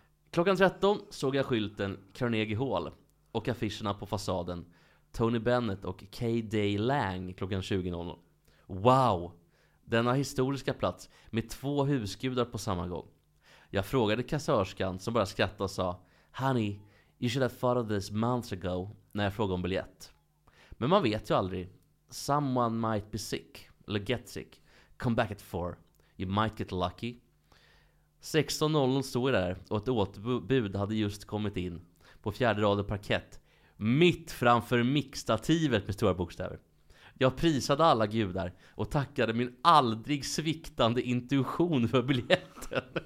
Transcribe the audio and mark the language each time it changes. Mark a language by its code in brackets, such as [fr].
[sv] Klockan 13 såg jag skylten Carnegie Hall och affischerna på fasaden Tony Bennett och K-Day Lang klockan 20.00. Wow! Denna historiska plats med 2 husgudar på samma gång. Jag frågade kassörskan som bara skrattade och sa [en] Honey, you should have thought of this months ago [sv] när jag frågade om biljett. Men man vet ju aldrig. [en] Someone might be sick, eller get sick. Come back at 4. You might get lucky. [sv] 16.00 stod jag där och ett återbud hade just kommit in på 4:e raden parkett. Mitt framför mixstativet med stora bokstäver. Jag prisade alla gudar och tackade min aldrig sviktande intuition för biljetten.